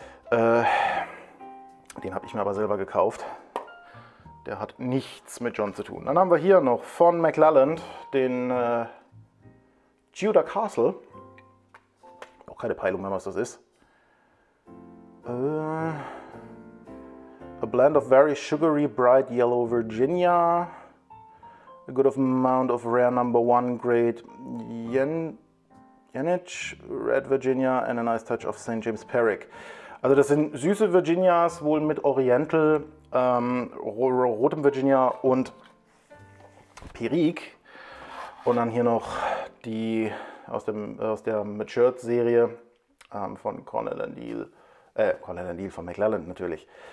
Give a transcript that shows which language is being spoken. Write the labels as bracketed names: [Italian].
[German] Den habe ich mir aber selber gekauft. Der hat nichts mit John zu tun. Dann haben wir hier noch von McLelland den Tudor Castle. Auch keine Peilung mehr, was das ist. [English] A blend of very sugary bright yellow Virginia, a good amount of rare number one grade Yenich Red Virginia and a nice touch of St. James Perique. [German] Also das sind süße Virginias, wohl mit Oriental, rotem Virginia und Perique. Und dann hier noch die aus der Matured Serie von Cornell & Deal, Cornell & Deal von McLelland natürlich.